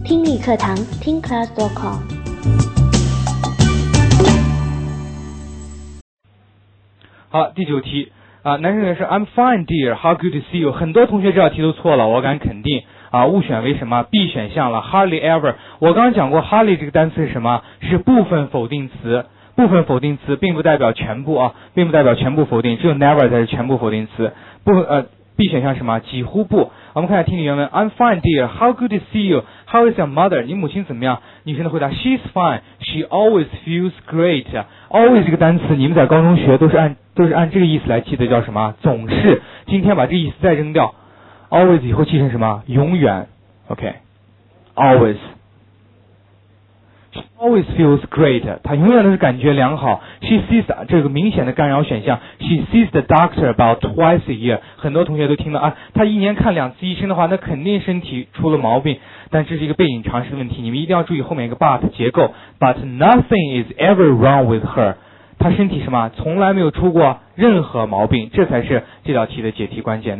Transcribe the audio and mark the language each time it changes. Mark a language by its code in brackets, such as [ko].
[zh] 理课堂听 class.com。好，第九题啊，男生也是 [en] I'm fine, dear, how good to see you。 [zh] 很多同学这道题都错了，我敢肯定啊，误选为什么 B 选项了 ， [en] hardly ever。 [zh] 我刚讲过 ，hardly 这个单词是什么？是部分否定词。部分否定词并不代表全部啊，并不代表全部否定，只有 never 才是全部否定词。 B 选项是什么？几乎不。我们看一下听力原文 ， [en] I'm fine, dear. How good to see you. How is your mother? [zh] 你母亲怎么样？女生的回答 ， [en] She's fine. She always feels great. [zh] Always 这个单词，你们在高中学都是按这个意思来记的，叫什么？总是。今天把这个意思再扔掉 ，always 以后记成什么？永远。 [en] OK，always。 She always feels great. [zh] 她永远都是感觉良好。 [en] She sees [zh] 这个明显的干扰选项。 [en] She sees the doctor about twice a year. [zh] 很多同学都听到啊，她一年看两次医生的话，那肯定身体出了毛病。但这是一个背景常识的问题，你们一定要注意后面一个 but 结构。 [en] But nothing is ever wrong with her. [zh] 她身体什么？从来没有出过任何毛病。这才是这道题的解题关键。